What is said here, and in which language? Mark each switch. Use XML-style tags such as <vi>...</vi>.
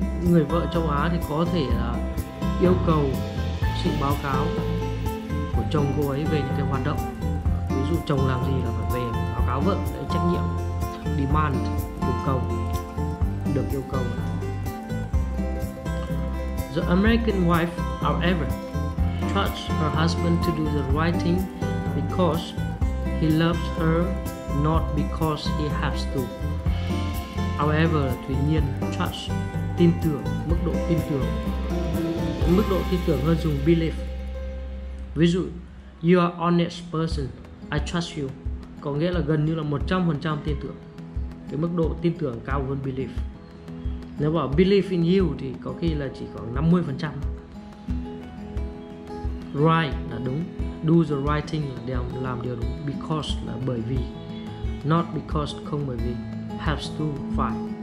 <vi>Người vợ châu Á thì có thể là yêu cầu sự báo cáo của chồng cô ấy về những cái hoạt động, ví dụ chồng làm gì là phải về báo cáo vợ, để trách nhiệm. Demand, yêu cầu, được yêu cầu.</vi> <en>The American wife, however, trusts her husband to do the writing because he loves her, not because he has to.</en> <vi>However, tuy nhiên, trust, tin tưởng, mức độ tin tưởng. Mức độ tin tưởng hơn dùng believe.</vi> <en>Ví dụ, you are honest person, I trust you.</en> <vi>Có nghĩa là gần như là 100% tin tưởng. Cái mức độ tin tưởng cao hơn believe. Nếu bảo</vi> <en>believe in you</en> <vi>thì có khi là chỉ khoảng 50%. Right là đúng. Do the writing là để làm điều đúng. Because là bởi vì. Not because, không bởi vì. Have to, phải.</vi>